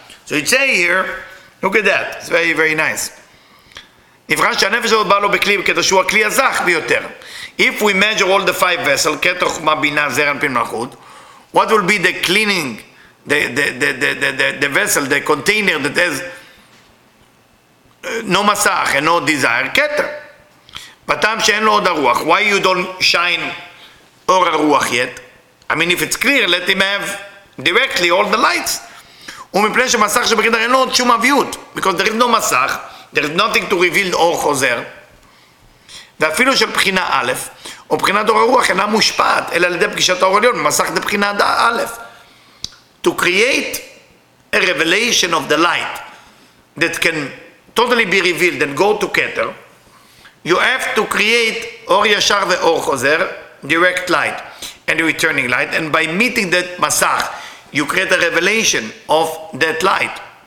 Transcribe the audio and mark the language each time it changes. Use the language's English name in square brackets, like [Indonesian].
[English] So it says here, look at that. It's very, very nice. [Hebrew] נבחן שהנפש הזאת באה לו בכלי, כתר שהוא הכלי הזך ביותר. [English] If we measure all the 5 vessels, כתר חומה בינה, זר, אנפין, מלכות, what will be the cleaning, the vessel, the container that has no מסך and no desire, כתר. [Hebrew] בטעם שאין לו עוד הרוח, [English] why you don't shine [Hebrew] אור הרוח yet? [English] I mean, if it's clear, let him have directly all the lights. [Hebrew] ומפני שמסך שבקדר אין לו עוד שום אביות. [English] Because there is no מסך, There is nothing to reveal or חוזר. [Hebrew] ואפילו של בחינה א', או בחינת אור הרוח אינה מושפעת, אלא על ידי פגישת האור עליון, במסך את הבחינה א'. [English] To create a revelation of the light that can totally be revealed and go to Keter, you have to create אור ישר ואור חוזר, direct light and returning light, and by meeting that מסך, you create a revelation of that light.